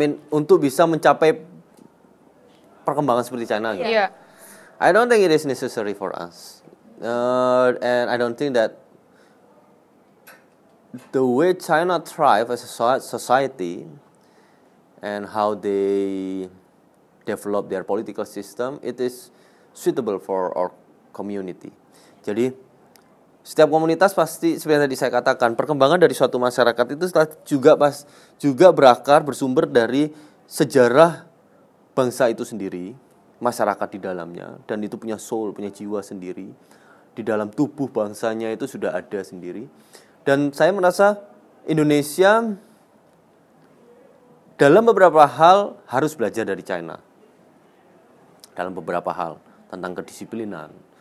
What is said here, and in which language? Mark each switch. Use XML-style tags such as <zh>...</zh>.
<id>untuk bisa mencapai perkembangan seperti China gitu.</id> <en>Yeah. I don't think it is necessary for us. And I don't think that the way China thrive as a society and how they develop their political system, it is suitable for our community.</en> <id>Jadi setiap komunitas pasti seperti yang tadi saya katakan, perkembangan dari suatu masyarakat itu juga berakar bersumber dari sejarah bangsa itu sendiri, masyarakat di dalamnya, dan itu punya soul, punya jiwa sendiri. Di dalam tubuh bangsanya itu sudah ada sendiri. Dan saya merasa Indonesia dalam beberapa hal harus belajar dari China. Dalam beberapa hal, tentang kedisiplinan,</id>